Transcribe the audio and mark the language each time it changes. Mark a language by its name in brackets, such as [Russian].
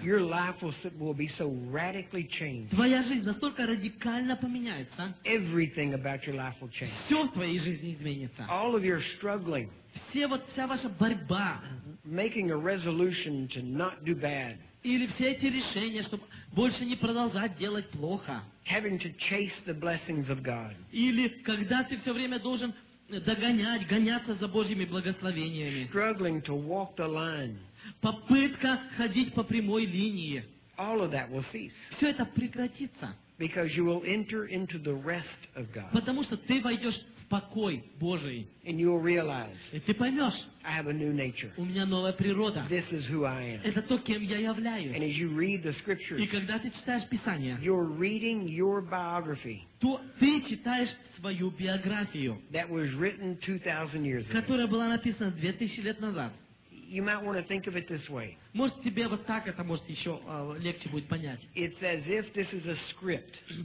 [English] your life will be so radically changed. [Russian] Твоя жизнь настолько радикально поменяется, [English] everything about your life will change. [Russian] Все в твоей жизни изменится. [English] All of your struggling, [Russian] вся ваша борьба, [English] making a resolution to not do bad, [Russian] или все эти решения, чтобы больше не продолжать делать плохо. [English] Having to chase the blessings of God. [Russian] Или когда ты все время должен догонять, гоняться за Божьими благословениями. [English] Struggling to walk the line. [Russian] Попытка ходить по прямой линии. [English] All of that will cease. [Russian] Все это прекратится. [English] Because you will enter into the rest of God. [Russian] Потому что ты войдешь в покой Божий. [English] And you will realize, [Russian] и ты поймешь, [English] I have a new nature. [Russian] У меня новая природа. [English] This is who I am. [Russian] Это то, кем я являюсь. [English] And as you read the scriptures, [Russian] и когда ты читаешь Писание, [English] you're reading your biography, [Russian] то ты читаешь свою биографию, [English] that was written 2,000 years ago, [Russian] которая была написана 2000 лет назад. [English] You might want to think of it this way. [Russian] Может, тебе вот так это, может, еще легче будет понять. [English] It's as if this is a script.